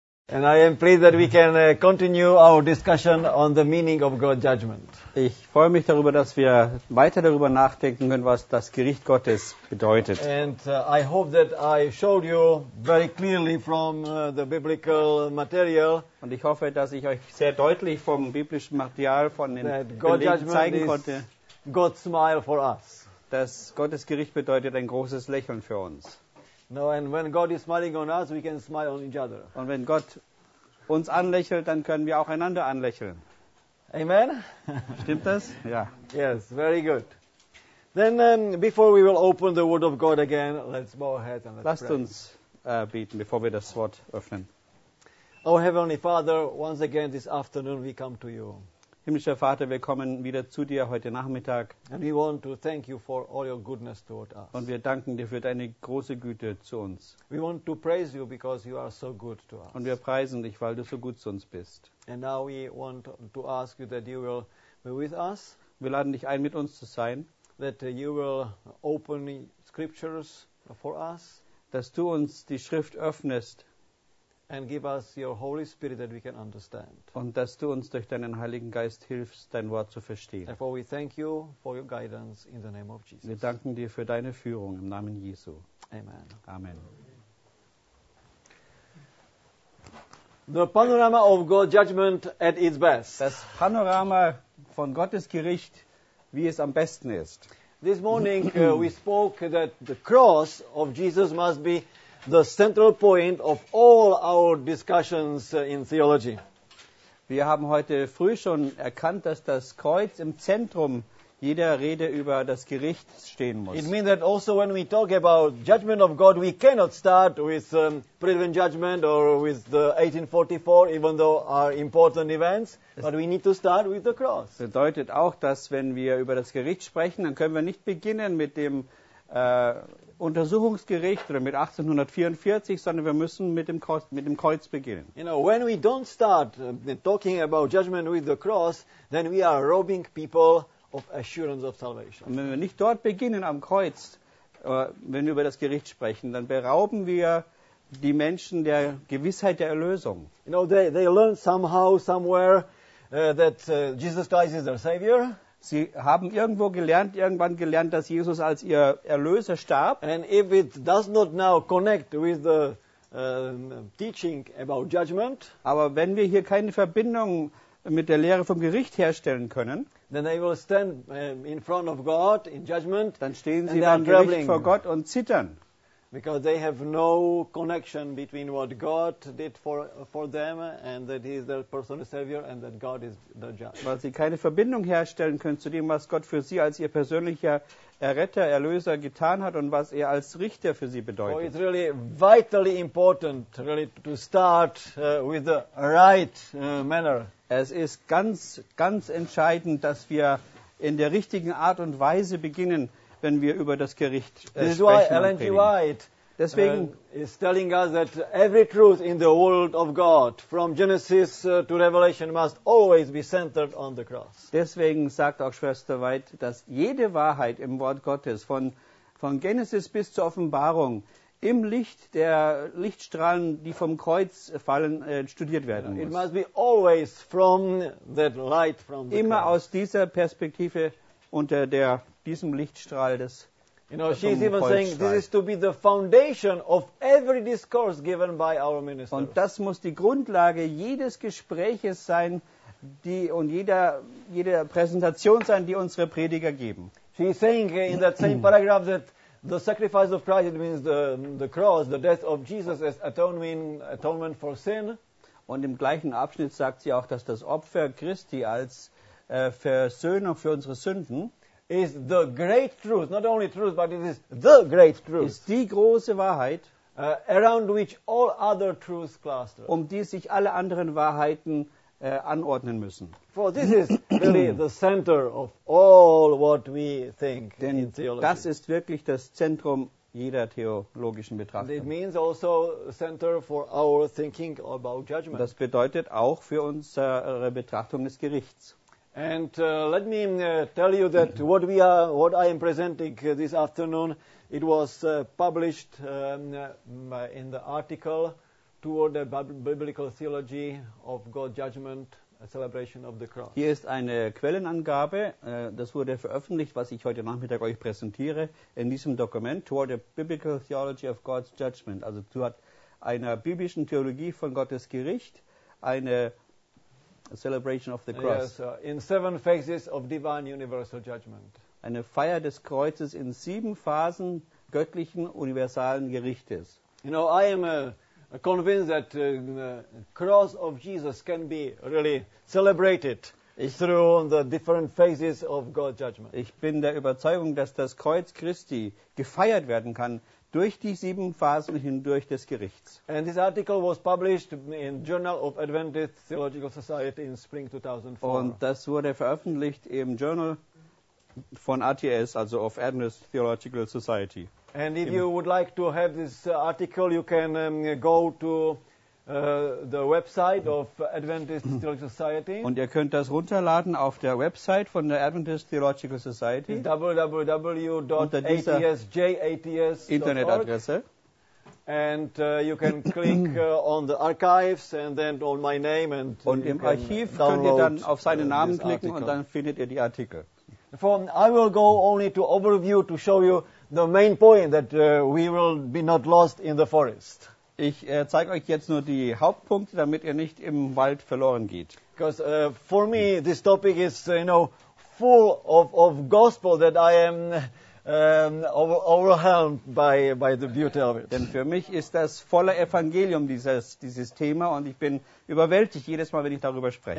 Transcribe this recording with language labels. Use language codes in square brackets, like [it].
[en] And I am pleased that we can continue our discussion on the meaning of God's judgment. [de] Ich freue mich darüber, dass wir weiter darüber nachdenken können, was das Gericht Gottes bedeutet. [en] And I hope that I showed you very clearly from the biblical material. [de] Und ich hoffe, dass ich euch sehr deutlich vom biblischen Material von den Belegen zeigen konnte. [en] God's smile for us. [de] Das Gottes Gericht bedeutet ein großes Lächeln für uns. [en] No, and when God is smiling on us, we can smile on each other. [de] Und wenn Gott uns anlächelt, dann können wir auch einander anlächeln. [en] Amen. [de] Stimmt das? Ja. [en] Yes, very good. Then before we will open the word of God again, let's bow our heads and let's [de] Lasst [en] pray. [de] Lasst uns beten, bevor wir das Wort öffnen. [en] Oh heavenly Father, once again this afternoon we come to you. [de] Himmlischer Vater, wir kommen wieder zu dir heute Nachmittag. [en] And we want to thank you for all your goodness toward us. [de] Und wir danken dir für deine große Güte zu uns. [en] We want to praise you because you are so good to us. [de] Und wir preisen dich, weil du so gut zu uns bist. [en] And now we want to ask you that you will be with us. [de] Wir laden dich ein, mit uns zu sein. [en] That you will open scriptures for us. [de] Dass du uns die Schrift öffnest. [en] And give us your Holy Spirit that we can understand. [de] Und dass du uns durch deinen Heiligen Geist hilfst, dein Wort zu verstehen. [en] Therefore we thank you for your guidance in the name of Jesus. [de] Wir danken dir für deine Führung im Namen Jesu. [en] Amen. [de] Amen. [en] The panorama of God's judgment at its best. [de] Das Panorama von Gottes Gericht, wie es am besten ist. [en] This morning we spoke that the cross of Jesus must be the central point of all our discussions in theology. [de] Wir haben heute früh schon erkannt, dass das Kreuz im Zentrum jeder Rede über das Gericht stehen muss. [en] It means that also when we talk about judgment of God, we cannot start with Prevent Judgment or with the 1844, even though are important events, but we need to start with the cross. [de] Das bedeutet auch, dass wenn wir über das Gericht sprechen, dann können wir nicht beginnen mit dem Untersuchungsgericht oder mit 1844, sondern wir müssen mit dem Kreuz beginnen. [en] You know, when we don't start talking about judgment with the cross, then we are robbing people of assurance of salvation. [de] Und wenn wir nicht dort beginnen am Kreuz, wenn wir über das Gericht sprechen, dann berauben wir die Menschen der Gewissheit der Erlösung. [en] You know, they learn somehow, somewhere that Jesus Christ is their Savior. [de] Sie haben irgendwann gelernt, dass Jesus als ihr Erlöser starb. [en] And if it does not now connect with the teaching about judgment, [de] aber wenn wir hier keine Verbindung mit der Lehre vom Gericht herstellen können, [en] then they will stand in front of God in judgment, [de] dann stehen sie beim Gericht vor Gott und zittern. [en] Because they have no connection between what God did for them and that he is their personal savior and that God is the judge. [de] Weil sie keine Verbindung herstellen können zu dem, was Gott für sie als ihr persönlicher Erretter, Erlöser getan hat und was er als Richter für sie bedeutet. [en] So it's really vitally important really to start with the right manner. [de] Es ist ganz, ganz entscheidend, dass wir in der richtigen Art und Weise beginnen, wenn wir über das Gericht sprechen. Deswegen [en] is telling us that every truth in the world of God from Genesis to Revelation must always be centered on the cross. [de] Deswegen sagt auch Schwester White, dass jede Wahrheit im Wort Gottes von Genesis bis zur Offenbarung im Licht der Lichtstrahlen, die vom Kreuz fallen, studiert werden muss. [en] It must be always from that light from the [de] Immer Aus dieser Perspektive unter der diesem Lichtstrahl des [en] You know, she's even saying this is to be the foundation of every discourse given by our ministers. [de] Und das muss die Grundlage jedes Gespräches sein, die und jeder Präsentation sein, die unsere Prediger geben. [en] She's saying in that same paragraph that the sacrifice of Christ it means the cross, the death of Jesus as atonement for sin. [de] Und im gleichen Abschnitt sagt sie auch, dass das Opfer Christi als Versöhnung für unsere Sünden [en] is the great truth, not only truth, but it is the great truth. [de] Ist die große Wahrheit, [en] around which all other truths cluster. [de] Um die sich alle anderen Wahrheiten anordnen müssen. [en] For this is really the center of all what we think [de] Denn [en] in theology. [de] Das ist wirklich das Zentrum jeder theologischen Betrachtung. [en] It means also center for our thinking about judgment. [de] Das bedeutet auch für unsere Betrachtung des Gerichts. [en] And let me tell you that what I am presenting this afternoon, it was published in the article toward the biblical theology of God's judgment, a celebration of the cross. [de] Hier ist eine Quellenangabe, das wurde veröffentlicht, was ich heute Nachmittag euch präsentiere, in diesem Dokument, [en] toward the biblical theology of God's judgment, [de] also zu einer biblischen Theologie von Gottes Gericht, eine [en] celebration of the cross. Yes, in seven phases of divine universal judgment. [de] Eine Feier des Kreuzes in sieben Phasen göttlichen universalen Gerichtes. [en] You know, I am convinced that the cross of Jesus can be really celebrated through the different phases of God's judgment. [de] Ich bin der Überzeugung, dass das Kreuz Christi gefeiert werden kann durch die sieben Phasen hindurch des Gerichts. [en] And this article was published in Journal of Adventist Theological Society in spring 2004. [de] Und das wurde veröffentlicht im Journal von ATS, also of Adventist Theological Society. [en] And if you would like to have this article, you can go to the website of Adventist Theological Society. [de] Und ihr könnt das runterladen auf der Website von der Adventist Theological Society. [en] www.atsjats.org. [de] Internetadresse. [en] And you can click on the archives and then on my name and [de] und im Archiv könnt ihr dann auf seinen Namen klicken und dann findet ihr die Artikel. [en] I will go only to overview to show you the main point that we will be not lost in the forest. [de] Ich zeige euch jetzt nur die Hauptpunkte, damit ihr nicht im Wald verloren geht. [en] Because for me this topic is full of gospel that I am overwhelmed by the beauty of it. [de] Denn für mich ist das voller Evangelium dieses Thema und ich bin überwältigt jedes Mal, wenn ich darüber spreche.